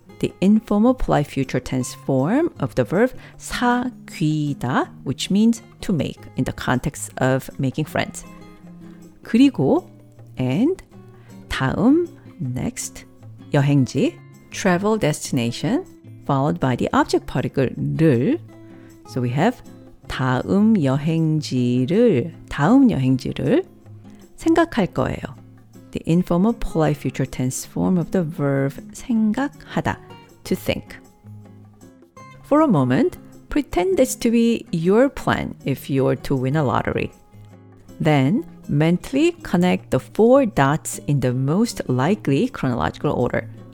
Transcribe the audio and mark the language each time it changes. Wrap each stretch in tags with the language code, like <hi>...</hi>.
<en>the informal polite future tense form of the verb 사귀다 which means to make in the context of making friends</en> <ko>그리고</ko> <en>And 다음, next,</en> <ko>여행지,</ko> <en>travel destination, followed by the object particle 를. So we have</en> <ko>다음 여행지를 생각할 거예요.</ko> <en>The informal polite future tense form of the verb 생각하다, to think. For a moment, pretend this to be your plan if you're to win a lottery. Then, mentally connect the four dots in the most likely chronological order.</en>